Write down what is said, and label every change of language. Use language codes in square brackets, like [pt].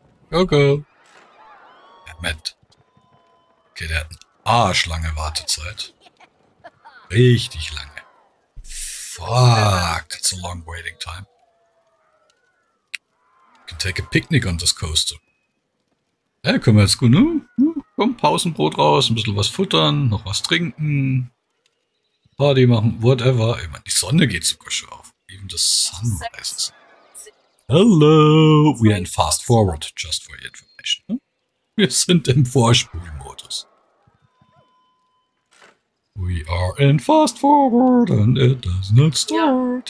[de] Go, go. Moment. Okay, der hat eine arschlange Wartezeit. Richtig lange. [en] Fuck, that's a long waiting time. You can take a picnic on this coaster. [de] Ja, können wir jetzt gut, ne? Komm, Pausenbrot raus, ein bisschen was futtern, noch was trinken. Party machen, whatever. Ich meine, die Sonne geht sogar schon auf. [en] Even the sun rises. Hello! We are in fast forward, just for your information. [de] Wir sind im Vorspulmodus. [en] We are in fast forward and it does not start.